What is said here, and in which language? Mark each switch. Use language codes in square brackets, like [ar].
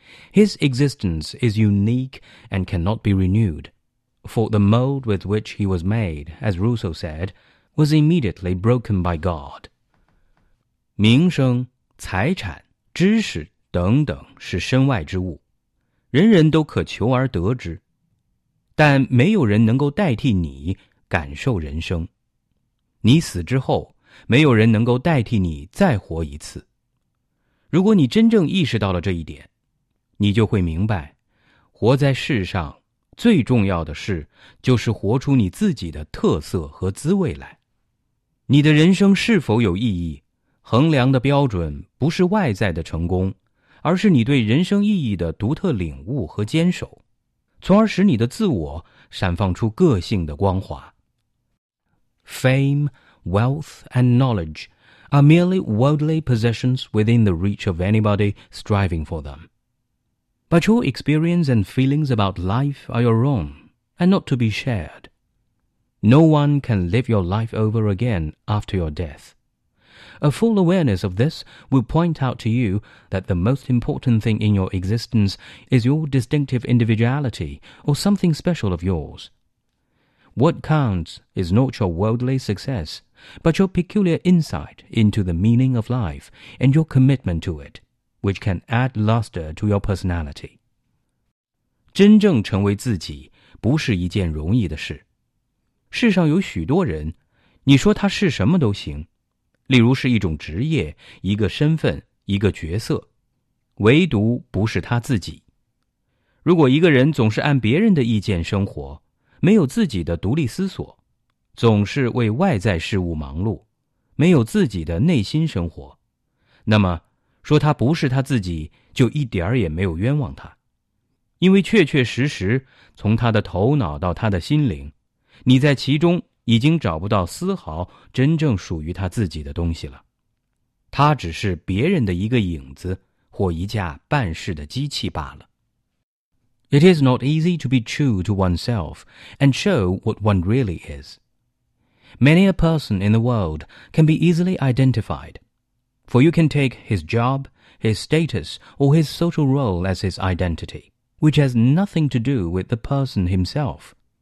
[en] His existence is unique and cannot be renewed. For the mold with which he was made, as Rousseau said,was immediately broken by God. [zh] 名声、财产、知识等等是身外之物，人人都可求而得之，但没有人能够代替你感受人生。你死之后，没有人能够代替你再活一次。如果你真正意识到了这一点，你就会明白，活在世上最重要的事就是活出你自己的特色和滋味来。你的人生是否有意义，衡量的标准不是外在的成功，而是你对人生意义的独特领悟和坚守，从而使你的自我闪放出个性的光华。 [en] Fame, wealth, and knowledge are merely worldly possessions within the reach of anybody striving for them. But your experience and feelings about life are your own, and not to be shared. No one can live your life over again after your death. A full awareness of this will point out to you that the most important thing in your existence is your distinctive individuality or something special of yours. What counts is not your worldly success, but your peculiar insight into the meaning of life and your commitment to it, which can add luster to your personality. [zh] 真正成为自己不是一件容易的事。世上有许多人，你说他是什么都行，例如是一种职业、一个身份、一个角色，唯独不是他自己。如果一个人总是按别人的意见生活，没有自己的独立思索，总是为外在事物忙碌，没有自己的内心生活，那么说他不是他自己，就一点儿也没有冤枉他，因为确确实实，从他的头脑到他的心灵，你在其中已经找不到丝毫真正属于他自己的东西了，他只是别人的一个影子或一架办事的机器罢了。 [en] It is not easy to be true to oneself and show what one really is. Many a person in the world can be easily identified, for you can take his job, his status, or his social role as his identity, which has nothing to do with the person himself.